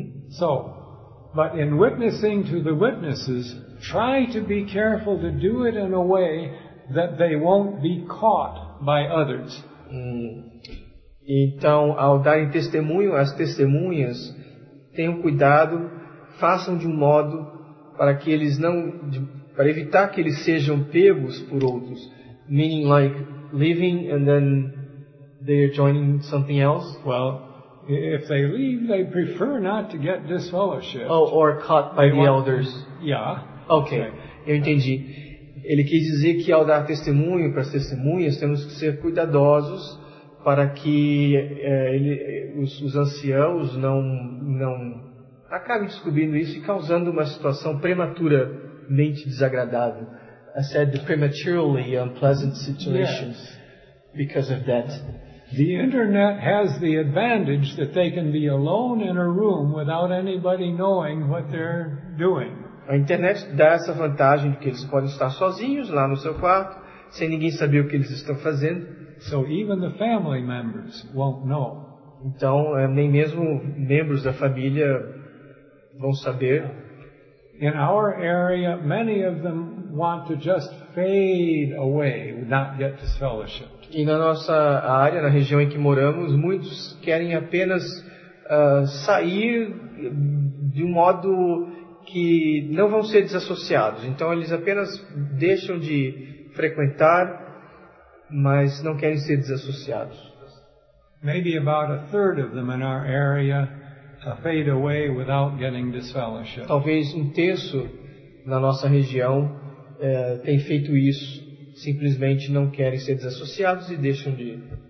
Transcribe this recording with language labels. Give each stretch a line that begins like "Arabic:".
English: So, but in witnessing to the witnesses, try to be careful to do it in a way that they won't be caught by others.
Portuguese: Então, ao darem testemunho às testemunhas, tenham cuidado, façam de um modo para que eles não, para evitar que eles sejam pegos por outros.
English: Meaning like leaving and then they are joining something else. Well, if they leave, they prefer not to get disfellowshipped. Oh, or caught by the elders. Yeah. Okay. Right.
Portuguese: Eu entendi. Ele quis dizer que ao dar testemunho para as testemunhas, temos que ser cuidadosos para que os anciãos não acabem descobrindo isso e causando uma situação prematuramente desagradável.
English: I said the prematurely unpleasant situations. Yes. Because of that. The internet has the advantage that they can be alone in a room without anybody knowing what they're doing.
Portuguese: A internet dá essa vantagem de que eles podem estar sozinhos lá no seu quarto, sem ninguém saber o que eles estão fazendo.
English: So even the family members won't know.
Portuguese: Então, nem mesmo membros da família vão saber.
English: In our area, many of them want to just fade away, not get disfellowship.
Portuguese: E na nossa área, na região em que moramos, muitos querem apenas sair de um modo que não vão ser desassociados. Então, eles apenas deixam de frequentar, mas não querem ser desassociados.
English: Maybe about a third of them in our area fade away without getting disfellowship.
Portuguese: Talvez um terço na nossa região tem feito isso. Simplesmente não querem ser desassociados e deixam de.